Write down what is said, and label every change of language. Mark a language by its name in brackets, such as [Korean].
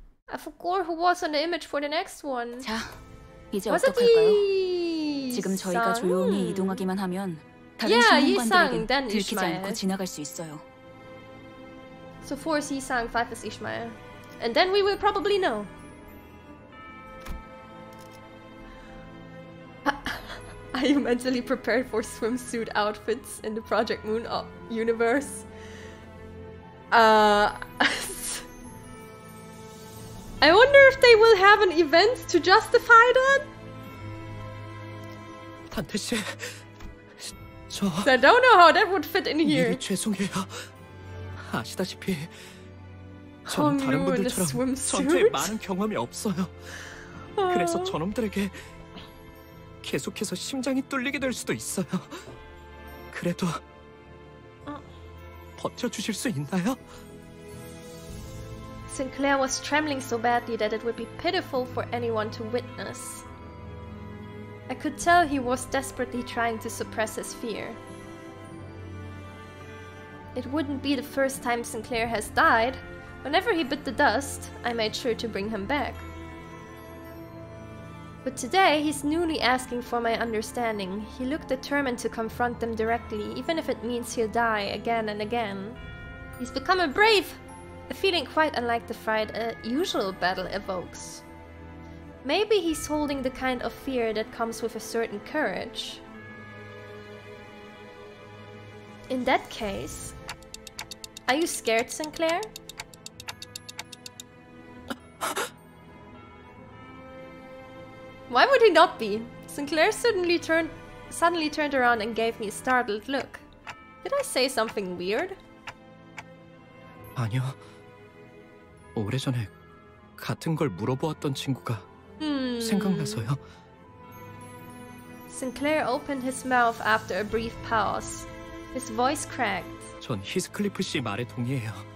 [English] Afogor, who was on the image for the next one? [Korean] 자, 이제 was 어떡할까요? 지금 저희가 sang? 조용히 이동하기만 하면 다른 [English] yeah, [Korean] 시민관들에게 들키지 않고 지나갈 수 있어요. [English] So 4 is Yisang, 5 is Ishmael. And then we will probably know. Are you mentally prepared for swimsuit outfits in the Project Moon universe? I wonder if they will have an event to justify that? [Korean] 단테 씨, 저... [English] I don't know how that would fit in here. [Korean] 미리 죄송해요. 아시다시피 저는 다른 분들처럼 전투에 많은 경험이 없어요. 그래서 저놈들에게 계속해서 심장이 뚫리게 될 수도 있어요. 그래도 버텨주실 수 있나요? [English] Sinclair was trembling so badly that it would be pitiful for anyone to witness. I could tell he was desperately trying to suppress his fear. It wouldn't be the first time Sinclair has died. Whenever he bit the dust, I made sure to bring him back. But today, he's newly asking for my understanding. He looked determined to confront them directly, even if it means he'll die again and again. He's become a brave! A feeling quite unlike the fright a usual battle evokes. Maybe he's holding the kind of fear that comes with a certain courage. In that case... Are you scared, Sinclair? Why would he not be? Sinclair suddenly turned around and gave me a startled look. Did I say something weird? [Korean] 아니요. 오래전에 같은 걸 물어보았던 친구가 생각나서요. [English] Sinclair opened his mouth after a brief pause. His voice cracked. [Korean] 전 히스클리프 씨 말에 동의해요.